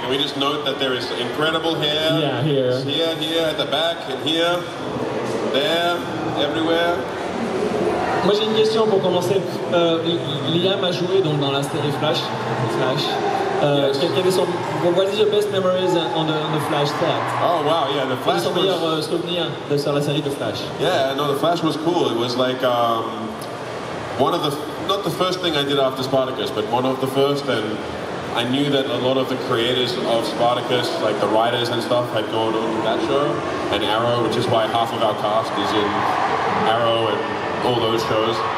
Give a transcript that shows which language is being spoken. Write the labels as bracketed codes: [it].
[en] Can we just note that there is incredible hair? Yeah, here. Here, at the back, and here, there, everywhere. [fr] Moi, j'ai une question pour commencer. Liam a joué donc dans la série Flash. [en] Yes. What is your best memories on the Flash set? Oh wow, yeah, the Flash. [fr] Quel est ton meilleur souvenir de sur la série de Flash? [en] Yeah, no, the Flash was cool. It was like one of the not the first thing I did after Spartacus, but one of the first, and I knew that a lot of the creators of Spartacus, like the writers and stuff, had gone on that show and Arrow, which is why half of our cast is in Arrow and all those shows.